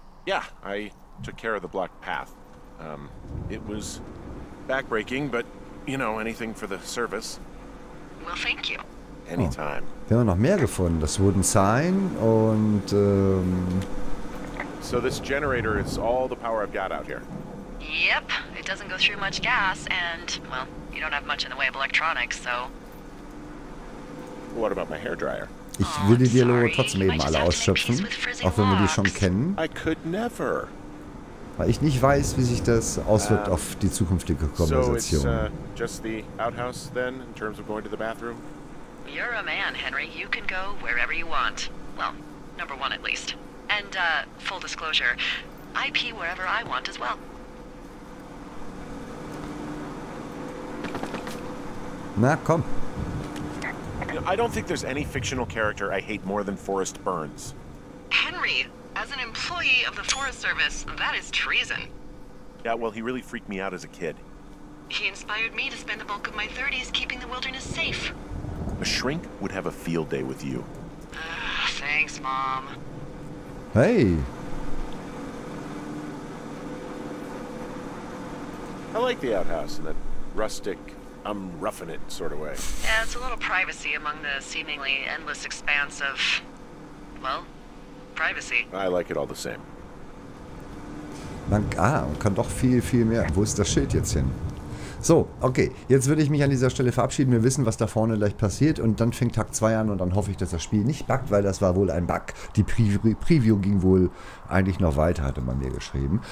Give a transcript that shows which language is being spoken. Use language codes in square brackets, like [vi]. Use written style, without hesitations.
[en] Yeah, I took care of the blocked path. It was backbreaking, but, you know, anything for the service. Well, thank you. Anytime. Oh. [de] Wir haben noch mehr gefunden, das Wooden Sign und, [en] So this generator is all the power I've got out here. Yep, it doesn't go through much gas and, well, you don't have much in the way of electronics, so... What about my hair dryer? [de] Ich will die Dialoge trotzdem eben alle ausschöpfen, auch wenn wir die schon kennen. [en] I could never. [de] Weil ich nicht weiß, wie sich das auswirkt auf die zukünftige Konversation. [en] Just the outhouse then, in terms of going to the bathroom? You're a man, Henry. You can go wherever you want. Well, number one at least. And full disclosure, I pee wherever I want as well. [de] Na, komm. [en] I don't think there's any fictional character I hate more than Forrest Burns. Henry, as an employee of the Forest Service, that is treason. Yeah, well, he really freaked me out as a kid. He inspired me to spend the bulk of my 30s keeping the wilderness safe. A shrink would have a field day with you. Thanks, Mom. Hey. I like the outhouse in that rustic... I'm roughing it, sort of way. Yeah, it's a little privacy among the seemingly endless expanse of... Well, privacy. I like it all the same. [de] Man kann doch viel, viel mehr. Wo ist das Schild jetzt hin? So, okay. Jetzt würde ich mich an dieser Stelle verabschieden. Wir wissen, was da vorne gleich passiert. Und dann fängt Tag 2 an und dann hoffe ich, dass das Spiel nicht buggt, weil das war wohl ein Bug. Die Preview ging wohl eigentlich noch weiter, hatte man mir geschrieben.